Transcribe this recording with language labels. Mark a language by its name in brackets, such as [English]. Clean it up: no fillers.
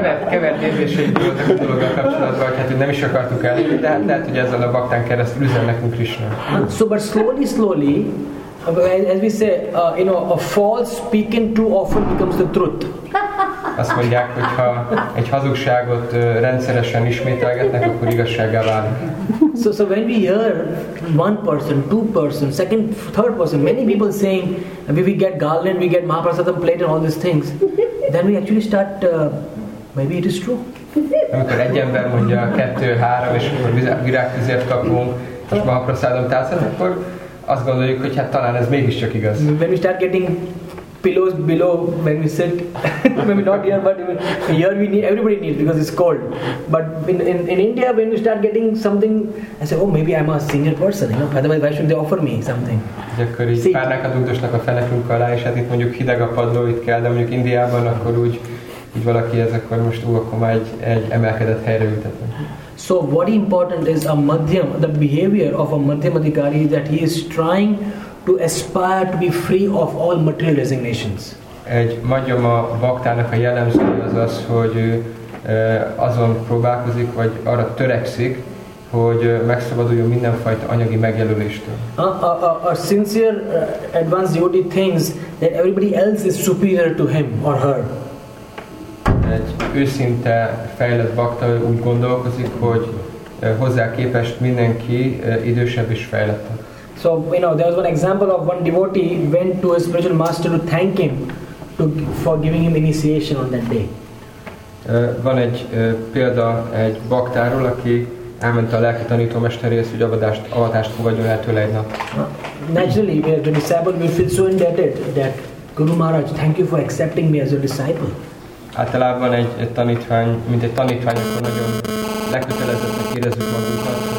[Hungarian] Kevert érzéseink voltak a dologgal kapcsolatban, hát, hogy nem is akartuk el, de hát lehet, hogy ezzel a baktán keresztül üzen nekünk Krishna. [English] So, but slowly, as we say, you know, a false speaking too often becomes the truth. [Hungarian] Azt mondják, hogy ha egy hazugságot rendszeresen ismételgetnek, akkor igazsággá válik. [English] So when we hear one person, two person, second, third person, many people saying, we get garland, we get Mahaprasadam plate and all these things, then we actually start, maybe it is true. [Hungarian] Amikor egy ember mondja kettő, három, és akkor virágtüzért kapunk, és Mahaprasadam tálcát, akkor azt gondoljuk, hogy hát talán ez mégiscsak igaz. [English] When we start getting pillows below when we sit, maybe not here, but here we need, everybody needs because it's cold. But in India, when you start getting something, I say, oh, maybe I'm a senior person, you know, otherwise why should they offer me something? [Hungarian] És akkor így párnákat ugdosnak a fenekünk alá, és hát itt mondjuk hideg a padló, itt kell, de mondjuk Indiában akkor úgy valaki ez, akkor most akkor már egy emelkedett helyre ültetnek. [English] So what important is a madhyam, the behavior of a madhyam adhikari, that he is trying to aspire to be free of all material designations. [Hungarian] Egy madhyama baktának a jellemzője az az, hogy azon próbálkozik, vagy arra törekszik, hogy megszabaduljon mindenfajta anyagi megjelöléstől. [English] A sincere advanced devotee thinks that everybody else is superior to him or her. [Hungarian] Egy őszinte fejlett bakta úgy gondolkozik, hogy hozzá képest mindenki idősebb és fejlettebb. [English] So, you know, there was one example of one devotee went to his spiritual master to thank him for giving him initiation on that day. [Hungarian] Van egy példa egy baktáról, aki elment a lelki tanítómesterhez, hogy avatást fogadjon el tőle egy nap. [English] Naturally, we are the disciple, we feel so indebted that Guru Maharaj, thank you for accepting me as your disciple. [Hungarian] Általában egy tanítvány, mint egy tanítvány, akkor nagyon lekötelezettnek érezzük magunkat,